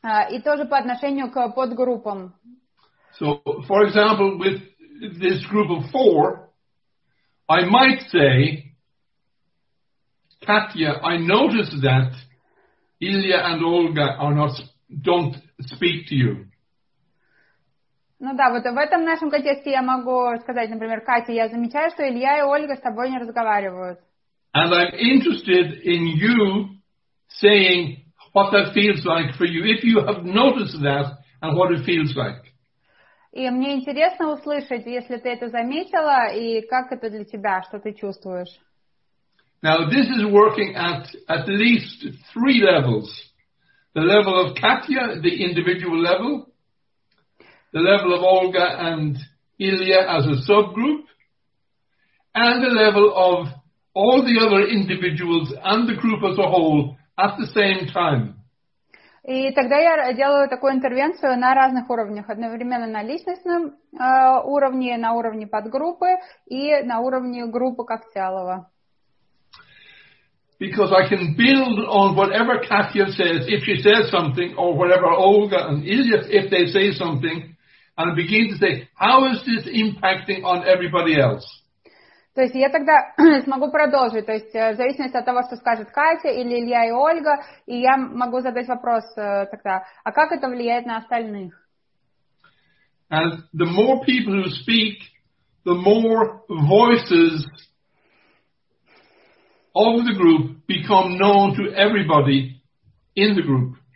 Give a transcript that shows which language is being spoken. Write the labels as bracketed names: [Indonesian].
[Russian] И тоже по отношению к подгруппам. [English] So, for example, with this group of four, I might say, Katya, I noticed that Ilya and Olga are not don't speak to you. [Russian] Ну да, вот в этом нашем контексте я могу сказать, например, Катя, я замечаю, что Илья и Ольга с тобой не разговаривают. [English] And I'm interested in you saying what that feels like for you, if you have noticed that and what it feels like. [Russian] И мне интересно услышать, если ты это заметила, и как это для тебя, что ты чувствуешь. [English] Now, this is working at least three levels. The level of Katya, the individual level. The level of Olga and Ilya as a subgroup. And the level of all the other individuals and the group as a whole at the same time. [Russian] И тогда я делаю такую интервенцию на разных уровнях. Одновременно на личностном уровне, на уровне подгруппы и на уровне группы как целого. [English] Because I can build on whatever Katya says, if she says something, or whatever Olga and Ilya, if they say something, and begin to say, how is this impacting on everybody else? [Russian] То есть я тогда смогу продолжить, то есть в зависимости от того, что скажет Катя или Илья и Ольга, и я могу задать вопрос тогда, а как это влияет на остальных? [English] And the more people who speak, the more voices of the group become known to everybody in the group.